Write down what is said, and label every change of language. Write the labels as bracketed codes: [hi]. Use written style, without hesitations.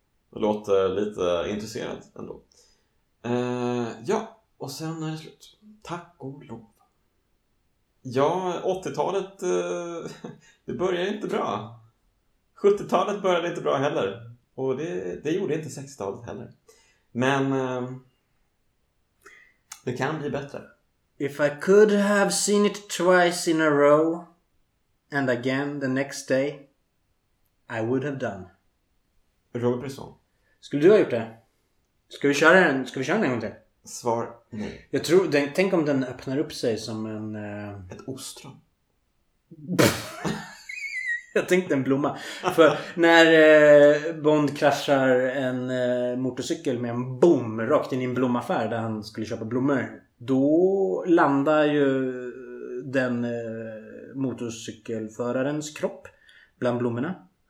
[sv] Det låter lite intresserat ändå. Ja, och sen är det slut. Tack och lov. Ja, 80-talet, det började inte bra. 70-talet började inte bra heller. Och det gjorde inte 60-talet heller. Men det kan bli bättre. [en] If I could have seen it twice in a row and again the next day, I would have done. [sv] Robert Brisson. Skulle du ha gjort det? Ska vi köra den en gång till? Svar nej. Jag tror, tänk om den öppnar upp sig som en... Ett ostron. Jag tänkte en blomma. För när Bond kraschar en motorcykel med en boom rakt in i en blommaffär där han skulle köpa blommor, då landar ju den motorcykelförarens kropp bland blommorna.